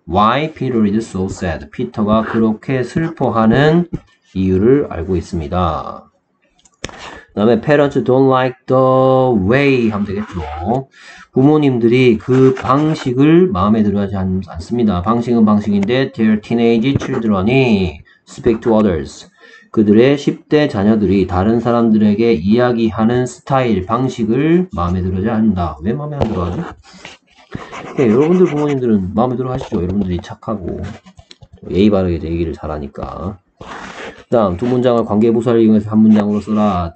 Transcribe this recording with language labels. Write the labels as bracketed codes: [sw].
[en] Why Peter is so sad. [ko] 피터가 그렇게 슬퍼하는 이유를 알고 있습니다. [en] 다음에 parents don't like the way [ko] 하면 되겠죠. 부모님들이 그 방식을 마음에 들어 하지 않습니다. 방식은 방식인데, [en] their teenage children이 speak to others. [ko] 그들의 10대 자녀들이 다른 사람들에게 이야기하는 스타일, 방식을 마음에 들어 하지 않는다. 왜 마음에 안 들어 하죠? 네, 여러분들 부모님들은 마음에 들어 하시죠. 여러분들이 착하고 예의 바르게 얘기를 잘하니까. 다음, 두 문장을 관계부사를 이용해서 한 문장으로 써라.